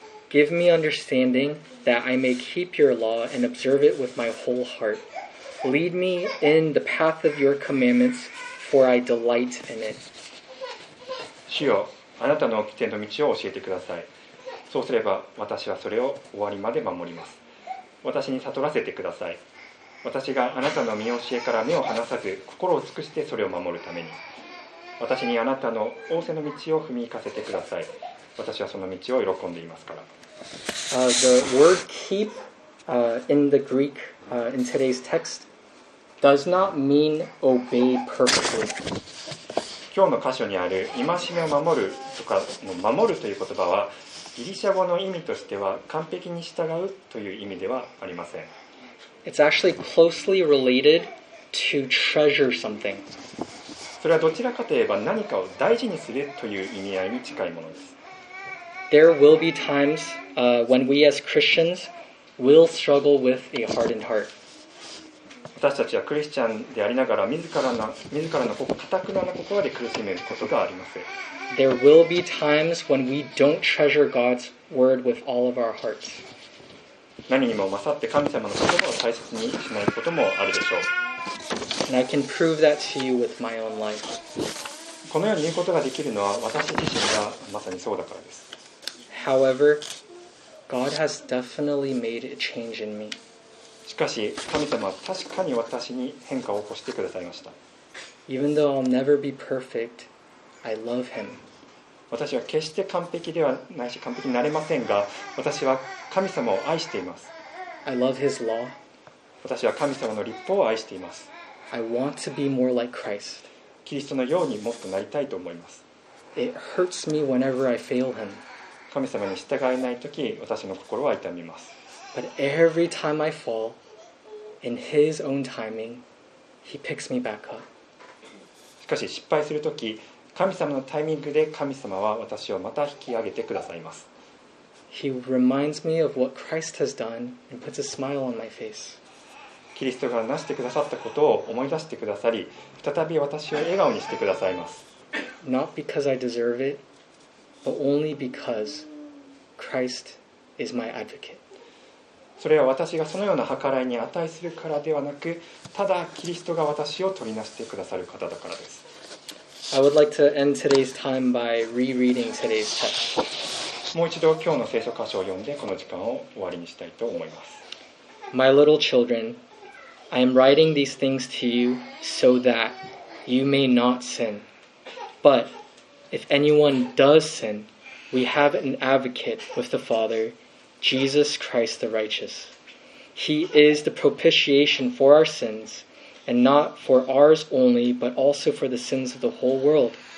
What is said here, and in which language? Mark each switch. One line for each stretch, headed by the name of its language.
English: Give me understanding that I may keep your law and observe it with my whole heart. Lead me in the path of your commandments, for I delight in it.
Japanese: しよう。あなたの規定の道を教えてください。そうすれば私はそれを終わりまで守ります。私に悟らせてください。私があなたの御教えから目を離さず心を尽くしてそれを守るために。私にあなたの仰せの道を踏み行かせてください。私はその道を喜んでいますから。
English: The word keep in the Greek in today's text does not mean obey perfectly.
Japanese: 今日の箇所にある戒めを守るとかの守るという言葉はギリシャ語の意味としては完璧に従うという意味ではありません。
English: It's actually closely related to treasure something.
Japanese: それはどちらかといえば何かを大事にするという意味合いに近いものです。
English: There will be times, when we as Christians will struggle with a hardened heart.
Japanese: 私たちはクリスチャンでありながら自らの堅苦な心で苦しむことがあります。
English: There will be times when we don't treasure God's word with all of our hearts.
Japanese: 何にも勝って神様の言葉を大切にしないこともあるでしょう。
English: And I can prove that to you with my own life.
Japanese: このように言うことができるのは私自身がまさにそうだからです。
English: However, God has definitely made a change in me.
Japanese: しかし神様は確かに私に変化を起こしてくださいました。
English: Even though I'll never be perfect, I love him.
Japanese: 私は決して完璧ではないし完璧になれませんが、私は神様を愛しています。
English: I love his law.
Japanese: 私は神様の律法を愛しています。
English: I want to be more like Christ.
Japanese: キリストのようにもっとなりたいと思います。
English: It hurts me whenever I fail him.
Japanese: 神様に従えないとき、私の心は痛みます。
English: But every time I fall, in His own timing, He picks me back up.
Japanese: しかし失敗するとき、神様のタイミングで神様は私をまた引き上げてくださいます。
English: He reminds me of what Christ has done and puts a smile on my face.
Japanese: キリストがなしてくださったことを思い出してくださり、再び私を笑顔にしてくださいます。
English: Not because I deserve it, but only because Christ is my advocate.
Japanese: それは私がそのような計らいに値するからではなく、ただキリストが私を取りなしてくださる方だからです。
English: I would like to end today's time by rereading today's text.
Japanese: もう一度今日の聖書箇所を読んで、この時間を終わりにしたいと思います。
English: My little children, I am writing these things to you so that you may not sin. But if anyone does sin, we have an advocate with the Father, Jesus Christ the righteous. He is the propitiation for our sins. And not for ours only, but also for the sins of the whole world.